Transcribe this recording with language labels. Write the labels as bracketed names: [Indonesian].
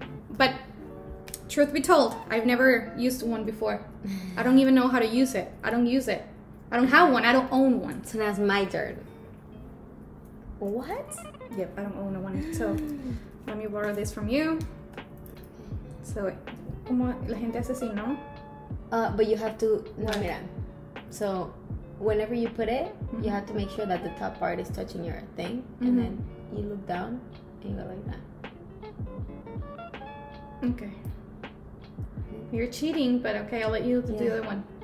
[English] But truth be told, I've never used one before. I don't even know how to use it. I don't use it. I don't have one. I don't own one. So that's my turn. What? Yep, I don't own one. So let me borrow this from you. [Spanish] So, ¿cómo la gente hace así, no? [English] But you have to... No, [Spanish] mira. [English] So... Whenever you put it, mm-hmm. you have to make sure that the top part is touching your thing. Mm-hmm. And then you look down and you go like that. Okay. You're cheating, but okay, I'll let you do the other one.